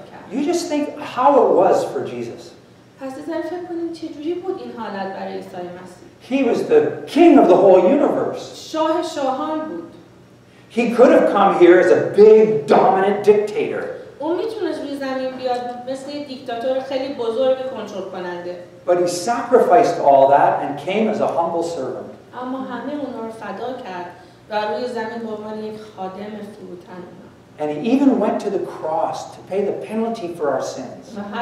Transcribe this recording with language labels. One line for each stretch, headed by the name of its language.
English: You just think how it was for Jesus.
Persian: پس از فکر کنید چه جوری بود این حالت برای عیسی مسیح.
English: He was the king of the whole universe.
Persian: شاه شاهان بود.
English: He could have come here as a big dominant dictator.
Persian: او میتونست روی زمین بیاد مثل یک دیکتاتور خیلی بزرگ کنترل کننده.
English: But he sacrificed all that and came as a humble servant.
Persian: اما همه اونا رو فدا کرد و روی زمین به عنوان یک خادم فروتن اومد.
English: And he even went to the cross to pay the penalty for our sins.